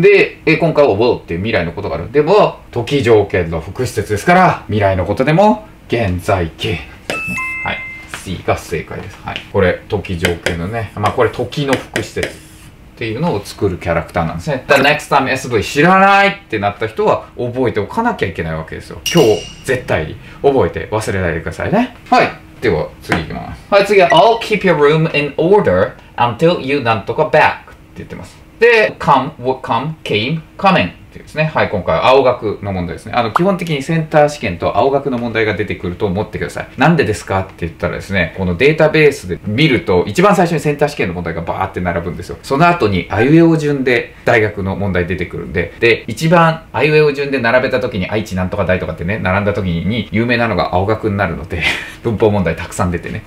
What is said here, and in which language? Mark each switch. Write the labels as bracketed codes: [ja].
[ja] で、今回は will っていう未来のことがある。でも、時条件の副詞節ですから、未来のことでも、現在形。はい。C が正解です。はい。これ、時条件のね、まあこれ、時の副詞節。っていうのを作るキャラクターなんですね。 [en] The next time SV [ja] 知らないってなった人は覚えておかなきゃいけないわけですよ。今日絶対に覚えて忘れないでくださいね。はい。では次行きます。はい、次は [en] I'll keep your room in order until you [ja] なんとか [en] back [ja] って言ってます。で、 [en] come, would come, came, coming [ja] っていうですね。はい、今回は青学の問題ですね。基本的にセンター試験と青学の問題が出てくると思ってください。なんでですかって言ったらですね、このデータベースで見ると、一番最初にセンター試験の問題がバーって並ぶんですよ。その後に、あゆえお順で大学の問題出てくるんで、で、一番あゆえお順で並べた時に、愛知なんとか大とかってね、並んだ時に有名なのが青学になるので、文法問題たくさん出てね。